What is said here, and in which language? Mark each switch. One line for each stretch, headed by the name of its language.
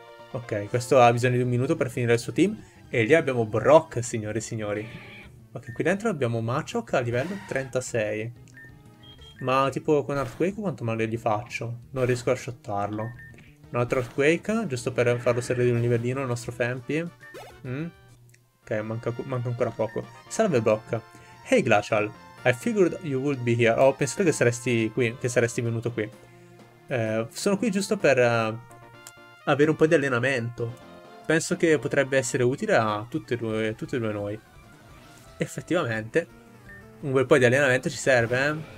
Italian: Ok, questo ha bisogno di un minuto per finire il suo team. E lì abbiamo Brock, signori e signori. Ok, qui dentro abbiamo Machoke a livello 36. Ma tipo con Earthquake quanto male gli faccio? Non riesco a shottarlo. Un altro Earthquake, giusto per farlo salire di un livellino il nostro Fempi. Ok, manca ancora poco. Salve Brock.
English: Hey Glacial, I figured you would be here.
Italian: Ho pensato che saresti qui, che saresti venuto qui. Sono qui giusto per avere un po' di allenamento. Penso che potrebbe essere utile a tutti e due noi. Effettivamente, un bel po' di allenamento ci serve, eh?